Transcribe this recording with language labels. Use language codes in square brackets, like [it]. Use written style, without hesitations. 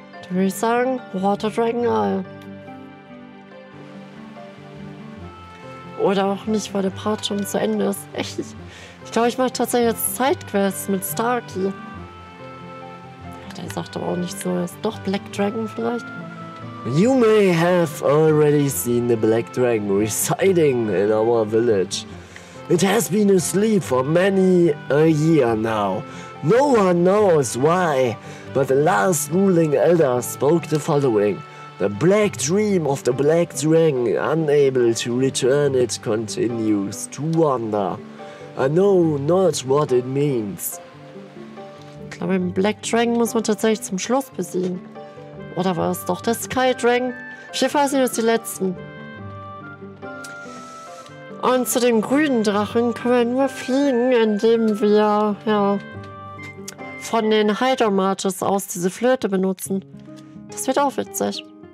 [de] Würde ich sagen, Water Dragon Isle. Oder auch nicht, weil der Part schon zu Ende ist. Echt? Ich glaube, ich mache tatsächlich jetzt Sidequests mit Starkey. Der sagt aber auch nicht so. Ist doch Black Dragon vielleicht? [en] You may have already seen the Black Dragon residing in our village. It has been asleep for many a year now. No one knows why. But the last ruling elder spoke the following. The black dream of the black dragon, unable to return, it continues to wander. I know not what it means. [de] Ich glaube, den black dragon muss man tatsächlich zum Schluss besiegen. Oder war es doch der sky dragon? Schiffer sind jetzt die letzten. Und zu dem grünen Drachen können wir nur fliegen, indem wir, ja, von den Hydromarches aus diese Flöte benutzen. Das wird auch witzig.